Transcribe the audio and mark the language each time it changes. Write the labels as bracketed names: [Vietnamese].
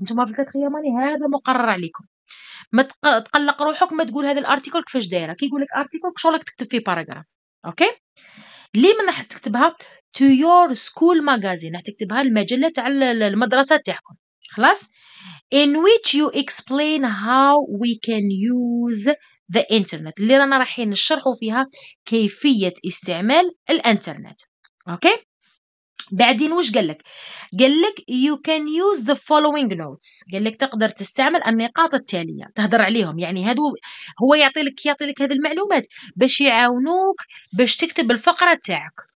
[Arabic] انتم في الكاتريام راني هذا مقرر عليكم، ما تقلق روحك ما تقول هذا الارتيكل كيفاش دايره، كي يقول لك article كشغلك تكتب فيه paragraph. أوكي ليه من راح تكتبها؟ [English] to your school magazine، [Arabic] راح تكتبها المجلة تاع المدرسة تاعكم. خلاص [English] in which you explain how we can use the internet. [Arabic] اللي رانا رايحين نشرحوا فيها كيفية استعمال الانترنت. اوكي؟ بعدين وش قال لك؟ قال لك [English] you can use the following notes. [Arabic] قال لك تقدر تستعمل النقاط التالية تهدر عليهم، يعني هادو هو يعطي لك هذه المعلومات باش يعاونوك باش تكتب الفقرة تاعك.